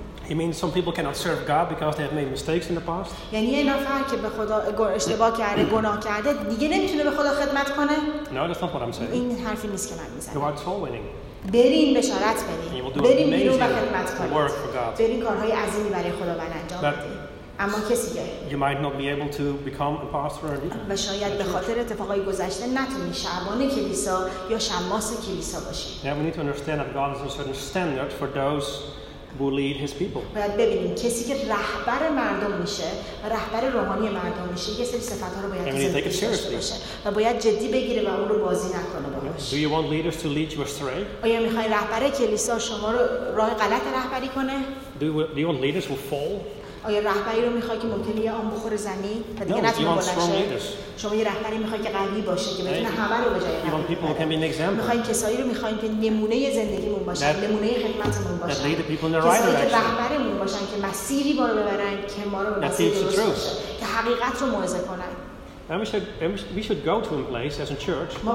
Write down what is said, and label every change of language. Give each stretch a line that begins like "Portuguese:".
English: You mean some people cannot serve God because they have made mistakes in the past?
Persian: یعنی یه نفر که به خدا اشتباه کرده، گناه کرده، دیگه نمیتونه به خدا خدمت کنه؟
English: No, that's not what I'm saying.
Persian: این حرفی نیست که من میزنم.
English: You are soul winning.
Persian: برین بشارت بدین. برین بیرون و خدمت کنید. برین کارهای عظیمی برای خداوند انجام بدین. اما کسی که
English: you might not be able to become a pastor or deacon.
Persian: و شاید به خاطر اتفاقای گذشته نتونی شعبان کلیسا یا شماس کلیسا باشی.
English: Yeah, we need to understand that God has a certain standard for those who lead his people.
Persian: باید ببینیم کسی که رهبر مردم میشه و رهبر روحانی مردم میشه یه سری صفات رو باید زندگیش باشه و باید جدی بگیره و اون رو بازی نکنه باهاش.
English: Do you want leaders to lead you astray?
Persian: آیا میخوای رهبر کلیسا شما رو راه غلط رهبری کنه؟
English: Do you want leaders who fall?
Persian: آیا رهبری رو میخوای که ممکنه یه آن بخور زمین و دیگه نتونه بلند شه؟ شما یه رهبری میخوای که قوی باشه که بتونه همه رو به جای خودش بیاره.
English: People can be an example.
Persian: میخوای کسایی رو میخوای که نمونه زندگیمون باشه، نمونه خدمتمون باشه.
English: That lead the people in the right direction.
Persian: کسایی که رهبرمون باشن که مسیری ما رو ببرن که ما رو به مسیر درست باشه. که حقیقت رو موعظه کنن.
English: We should go to a place as a church